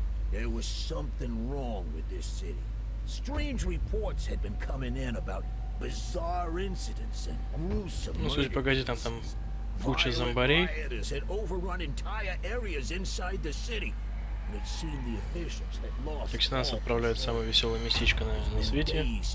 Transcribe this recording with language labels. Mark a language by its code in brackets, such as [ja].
[en] There was something wrong with this city. Strange reports had been coming in about bizarre incidents and gruesome. [ru] Ну, судя по газетам, там куча зомбарей. [en] Rioters had overrun entire areas inside the city. It seemed the officials had lost. [ru] Так что нас отправляют в самое веселое местечко на свете.